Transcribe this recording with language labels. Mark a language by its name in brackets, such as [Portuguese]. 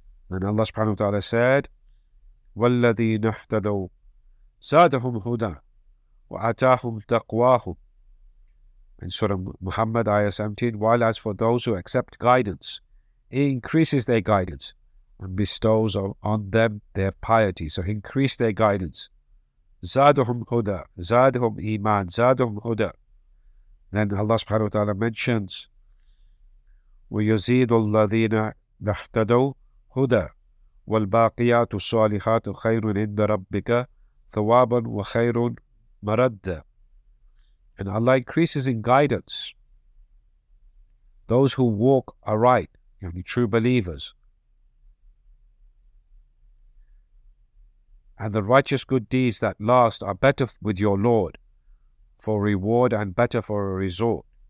[English] And Allah subhanahu wa ta'ala said, [Arabic] وَالَّذِينَ اهْتَدَوْا زَادَهُمْ هُدًى وَأَتَاهُمْ تَقْوَاهُمْ, [English] in Surah Muhammad, ayah 17, while as for those who accept guidance, he increases their guidance and bestows on them their piety. So increase their guidance. [Arabic] Zadhum huda, zadhum iman, zadhum huda. [English] Then Allah subhanahu wa ta'ala mentions, [Arabic] وَيُزِيدُ الَّذِينَ نَحْتَدَوْا هُدَى وَالْبَاقِيَاتُ الصَّالِحَاتُ خَيْرٌ عِنْدَ رَبِّكَ ثَوَابًا وَخَيْرٌ مَرَدًّا. [English] And Allah increases in guidance those who walk aright, the true believers. And the righteous good deeds that last are better with your Lord for reward and better for a resort.